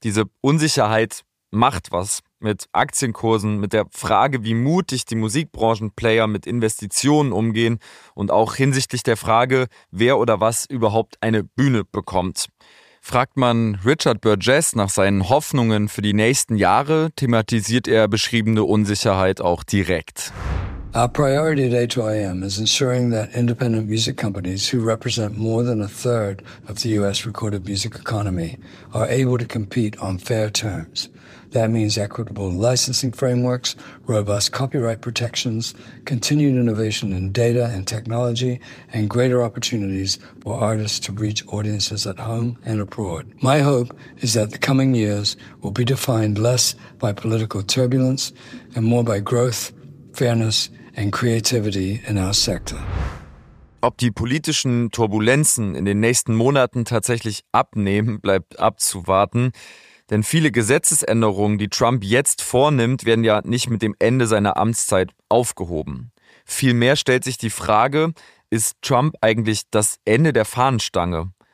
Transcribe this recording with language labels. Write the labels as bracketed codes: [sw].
[de] Diese Unsicherheit macht was mit Aktienkursen, mit der Frage, wie mutig die Musikbranchenplayer mit Investitionen umgehen und auch hinsichtlich der Frage, wer oder was überhaupt eine Bühne bekommt. Fragt man Richard Burgess nach seinen Hoffnungen für die nächsten Jahre, thematisiert er beschriebene Unsicherheit auch direkt. [en] Our priority at A2AM is ensuring that independent music companies who represent more than a third of the US recorded music economy are able to compete on fair terms. That means equitable licensing frameworks, robust copyright protections, continued innovation in data and technology, and greater opportunities for artists to reach audiences at home and abroad. My hope is that the coming years will be defined less by political turbulence and more by growth, fairness and creativity in our sector. [de] Ob die politischen Turbulenzen in den nächsten Monaten tatsächlich abnehmen, bleibt abzuwarten. Denn viele Gesetzesänderungen, die Trump jetzt vornimmt, werden ja nicht mit dem Ende seiner Amtszeit aufgehoben. Vielmehr stellt sich die Frage, ist Trump eigentlich das Ende der Fahnenstange?